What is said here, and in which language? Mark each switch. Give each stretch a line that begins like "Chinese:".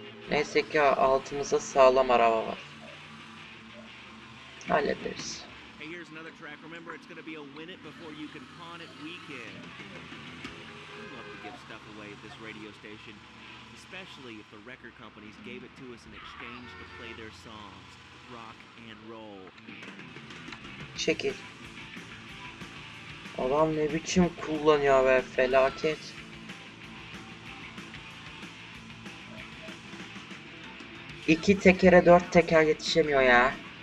Turkish: Neyse ki altımızda sağlam araba var. Hallederiz.
English: Hey, here's another track. Remember, it's gonna be a win it before you can pawn it weekend. We love to give stuff away at this radio station. Especially if the record companies gave it to us in exchange to play their songs, rock and roll.
Turkish: Çekil. Adam ne biçim kullanıyor be, felaket. İki tekere dört teker yetişemiyor ya.